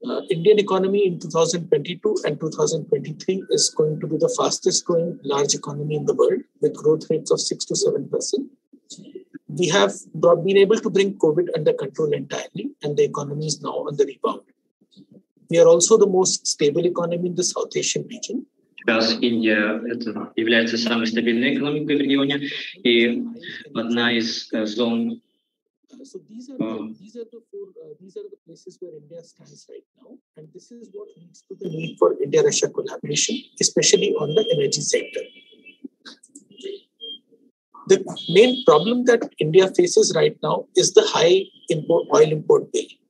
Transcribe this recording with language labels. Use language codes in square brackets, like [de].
[en] Indian economy in 2022 and 2023 is going to be the fastest growing large economy in the world, with growth rates of 6-7%. We have been able to bring COVID under control entirely, and the economy is now on the rebound. We are also the most stable economy in the South Asian region. [ru] Сейчас Индия это является самой стабильной экономикой в регионе и одна из зон. [en] So these are the places where India stands right now, and this is what leads to the need for India-Russia collaboration, especially on the energy sector. The main problem that India faces right now is the high oil import bill.